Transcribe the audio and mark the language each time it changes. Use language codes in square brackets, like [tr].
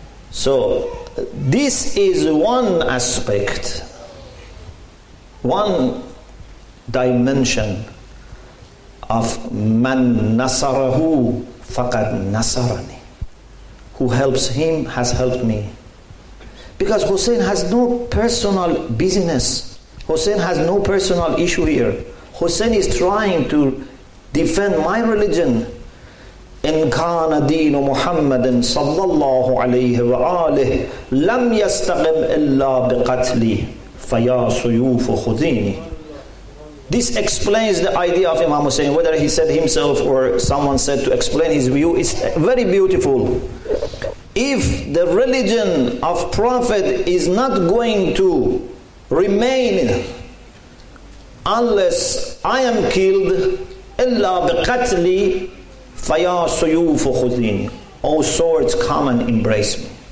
[en] So this is one aspect, one dimension of [ar] man nasarahu faqad nasarani. [en] Who helps him has helped me. Because Hussein has no personal business. Hussein has no personal issue here. Hussein is trying to defend my religion. [ar] إن كان دين محمد صلى الله عليه وآله لم يستقم إلا بقتلي فيا سيوف خذيني. [en] This explains the idea of Imam Hussein, whether he said himself or someone said to explain his view. It's very beautiful. If the religion of Prophet is not going to remain unless I am killed, [ar] illa biqatli faya suyufu khudin, [en] O swords, come and embrace me.